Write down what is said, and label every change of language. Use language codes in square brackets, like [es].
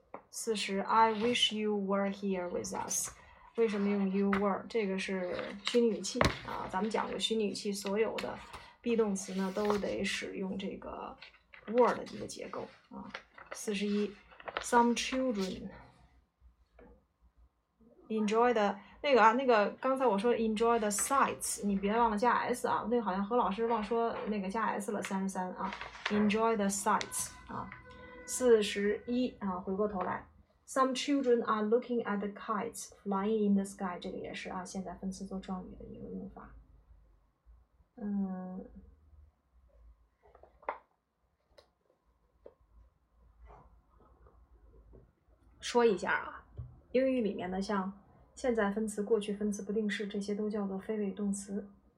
[en] 四十 ，I wish you were here with us。 [zh] 为什么用 you were？这个是虚拟语气啊，咱们讲过虚拟语气所有的。 be 动词呢都得使用这个 were 的一个结构啊。 41 [en] Some children enjoy the [zh] 那个啊，那个刚才我说 [en] enjoy the sights， [zh] 你别忘了加 s 啊。那个好像何老师忘说那个加 s 了，33啊。 [en] Enjoy the sights 啊，41啊。 [zh] 回过头来 [en] ，Some children are looking at the kites flying in the sky。 [zh] 这个也是啊，现在分词做状语的一个用法。嗯，说一下啊，英语里面的像。现在分词、过去分词、不定式，这些都叫做非谓动词。